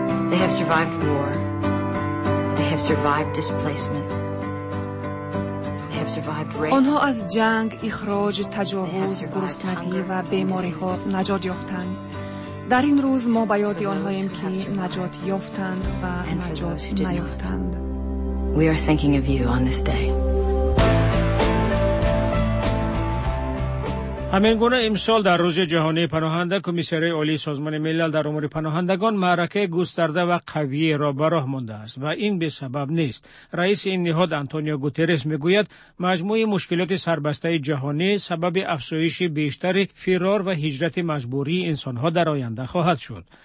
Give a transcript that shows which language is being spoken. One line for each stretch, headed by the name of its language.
English: They have survived war. They have survived displacement.
Persian: آنها از جنگ، اخراج، تجاوز، گرسنگی و بیماری‌ها نجات یافتند. در این روز ما به یاد آنهاییم که نجات یافتند و نجات نیافتند.
English: We are thinking of you on this day.
Persian: همین گونه امسال در روز جهانی پناهنده کمیسری عالی سازمان ملل در امور پناهندگان معرکه گسترده و قوی را به راه مانده است و این به سبب نیست. رئیس این نهاد آنتونیو گوترس میگوید مجموع مشکلات سربسته جهانی سبب افزایش بیشتر فرار و هجرت مجبوری انسانها در آینده خواهد شد.